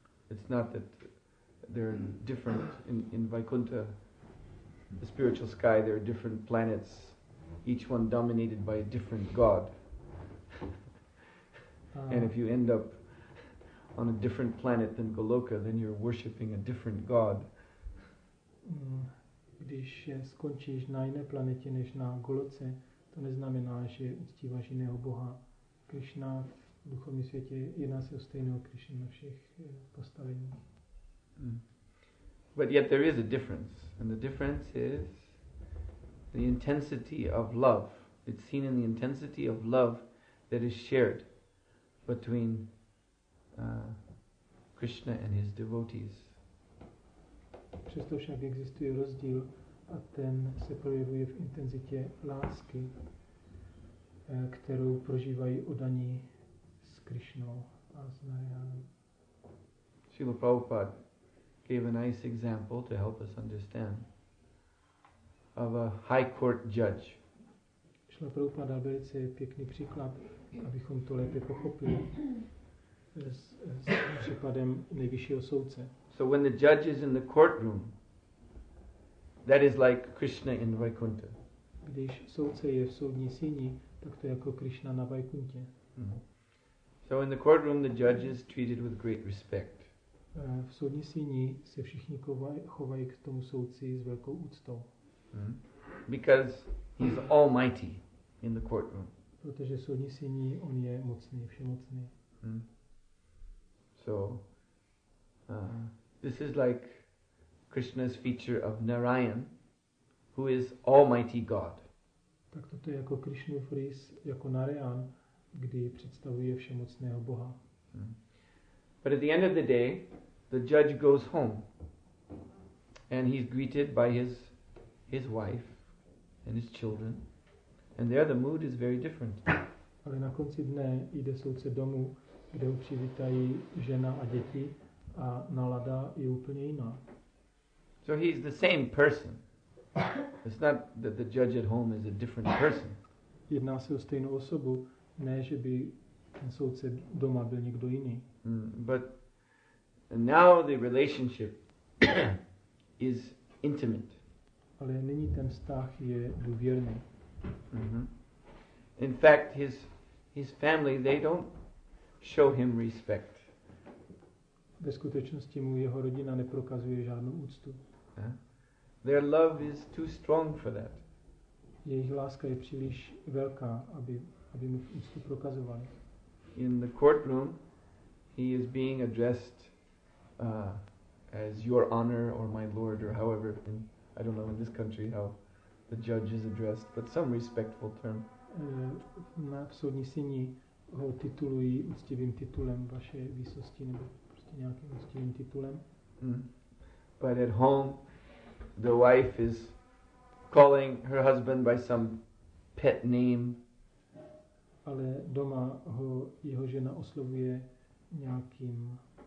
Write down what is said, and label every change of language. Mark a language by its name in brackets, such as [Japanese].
[English] It's not that there are different in Vaikuntha, the spiritual sky, there are different planets, each one dominated by a different god. And if you end up on a different planet than Goloka, then you're worshipping a different god. [Czech] Když skončíš na jiné planetě než na Goloce, to neznamená, že uctíváš jiného boha. Krishna v duchovním světě jedná se o stejného Krishna na všech postaveních. [English] Mm. But yet there is a difference. And the difference is the intensity of love. It's seen in the intensity of love that is shared between Krishna and his devotees. [Czech] Přesto však existuje rozdíl a ten se projevuje v intenzitě lásky, kterou prožívají oddaní s Krišnou a s Narayanem. [English] Srila Prabhupada gave a nice example to help us understand of a high court judge. [Czech] Srila Prabhupada dal velice pěkný příklad, abychom to lépe pochopili, s případem nejvyššího soudce. [English] So when the judge is in the courtroom, that is like Krishna in Vaikuntha. [Czech] Když soudce je v soudní síni, tak to je jako Krishna na Vaikuntě. Mm-hmm. [English] So in the courtroom the judge is treated with great respect. [Czech] V soudní síni se všichni chovají k tomu soudci s velkou úctou. [English] Mm-hmm. Because he's almighty in the courtroom. [Czech] Protože v soudní síni on je mocný, všemocný. Mm-hmm. [English] So this is like Krishna's feature of Narayan, who is almighty God. [Czech] Tak toto je jako Krishnův rys, jako Narayan, kdy představuje všemocného Boha. Mm. [English] But at the end of the day, the judge goes home and he's greeted by his wife and his children. And there the mood is very different. [Czech] Ale na konci dne jde soudce domů, kde ho přivítají žena a děti a nálada je úplně jiná. [English] So he's the same person. It's not that the judge at home is a different person. [Czech] Jedná se o stejnou osobu, ne že by ten soudce doma byl někdo jiný. [English] Mm, but now the relationship is intimate. [Czech] Ale nyní ten vztah je důvěrný. Mm-hmm. [English] In fact, his family, they don't show him respect. [Czech] Ve skutečnosti mu jeho rodina neprokazuje žádnou úctu. [English] Their love is too strong for that. [Czech] Jejich láska je příliš velká, aby mu úctu prokazovali. [English] In the courtroom, he is being addressed as your honor or my lord or however, in, I don't know in this country how the judge is addressed, but some respectful term. [Czech] Na soudní síni ho titulují úctivým titulem vaše výsosti nebo prostě nějakým úctivým titulem. [English] But at home, the wife is calling her husband by some pet name. [Czech] Ale doma ho jeho žena oslovuje nějakým.